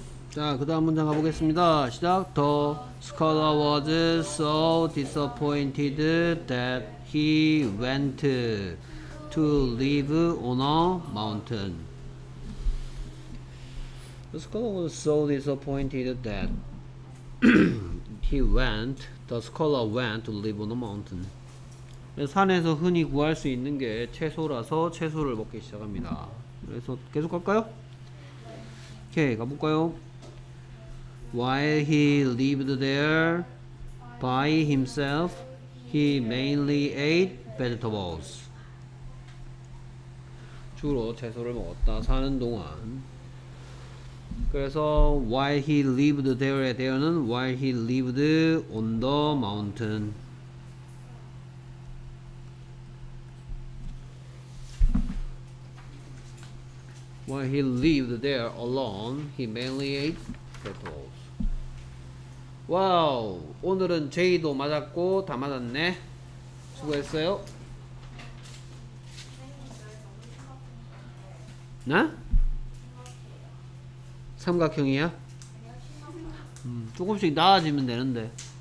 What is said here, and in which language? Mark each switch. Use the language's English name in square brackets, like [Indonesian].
[Korean] 자, 그 다음 문장 가보겠습니다. 시작. [English] The scholar was so disappointed that he went to live on a mountain. The scholar was so disappointed that he went, the scholar went to live on a mountain. [Korean] 산에서 흔히 구할 수 있는 게 채소라서 채소를 먹기 시작합니다. 그래서 계속 갈까요? 오케이, 가볼까요? [English] While he lived there by himself, he mainly ate vegetables. [Korean] 주로 채소를 먹었다, 사는 동안. [English] 그래서 while he lived there에 대해서는 while he lived on the mountain. While he lived there alone, he mainly ate vegetables. [Korean] 와우, 오늘은 제이도 맞았고 다 맞았네. 수고했어요. 나? 삼각형이야? 조금씩 나아지면 되는데.